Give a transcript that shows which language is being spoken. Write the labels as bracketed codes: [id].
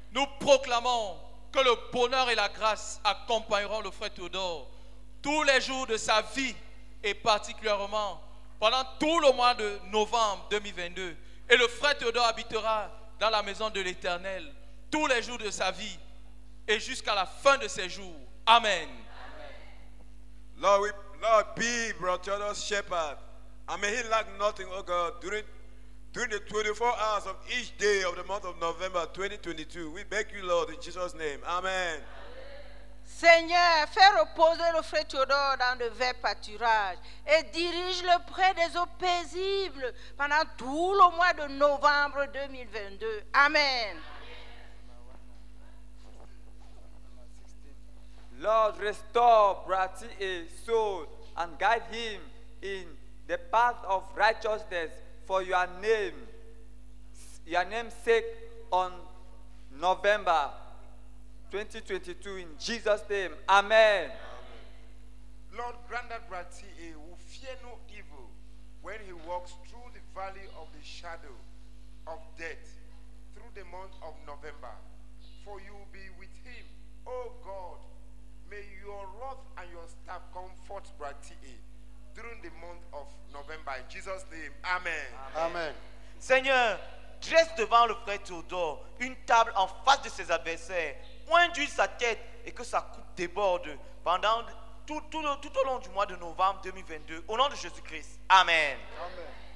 [fr] Nous proclamons que le bonheur et la grâce accompagneront le frère Théodore tous les jours de sa vie et particulièrement pendant tout le mois de novembre 2022. Et le frère Théodore habitera dans la maison de l'Éternel tous les jours de sa vie et jusqu'à la fin de ses jours. Amen. Amen. [en] Lord, Lord, be brought to us shepherd, and may he lack nothing, O God, during the 24 hours of each day of the month of November 2022. We beg you, Lord, in Jesus' name. Amen. [fr] Seigneur, fais reposer le frère Théodore dans le vert pâturage et dirige-le près des eaux paisibles pendant tout le mois de novembre 2022. Amen. [en] Lord, restore Brati his soul and guide him in the path of righteousness for your name's sake on November 2022 in Jesus' name. Amen. Amen. Lord, grant that Brati will fear no evil when he walks through the valley of the shadow of death through the month of November, for you will be with him, O God. May your wrath and your staff comfort Brati during the month of November. In Jesus' name, amen. Amen. Amen. [fr] Seigneur, dresse devant le frère Théodore une table en face de ses adversaires, oindrisse sa tête et que sa coupe déborde pendant tout au long du mois de novembre 2022. Au nom de Jésus-Christ, amen. Amen.